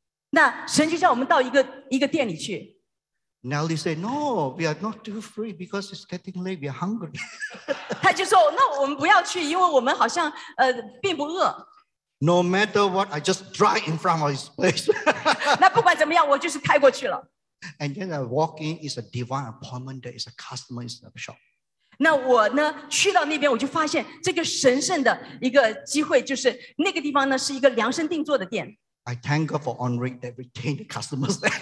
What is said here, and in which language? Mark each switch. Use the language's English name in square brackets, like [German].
[Chinese] 那神就叫我们到一个店里去。 [English] Nelly said, "No, we are not too free because it's getting late. We are hungry." [Chinese] 他就说，那我们不要去，因为我们好像并不饿。 [English] No matter what, I just drive in front of his place. [Chinese] 那不管怎么样，我就是开过去了。 [English] And then I walk in. It's a divine appointment. There is a customer in the shop. [Chinese] 那我呢，去到那边，我就发现这个神圣的一个机会，就是那个地方呢是一个量身定做的店。 [English] I thank God for Henry that retained the customers.